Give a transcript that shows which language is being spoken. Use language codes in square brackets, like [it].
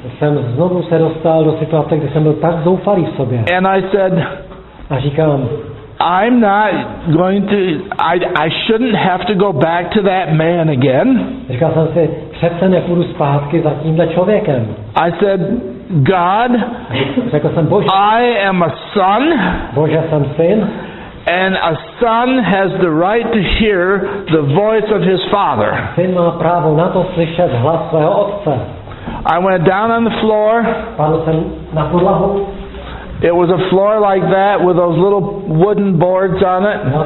[cs] Jsem znovu se dostal do situace, kde jsem byl tak zoufalý v sobě. [en] And I said, [cs] a říkám, [en] I'm not going to. I shouldn't have to go back to that man again. [cs] Říkal jsem si, přece nepůjdu zpátky za tímhle člověkem. [en] I said, God. [cs] Řekl jsem, Bože. [en] I am a son. [cs] Bože, jsem syn. [en] And a son has the right to hear the voice of his father. [cs] Syn má právo na to slyšet hlas svého otce. [en] I went down on the floor. [cs] Padl jsem na podlahu. [en] It was a floor like that with those little wooden boards on it.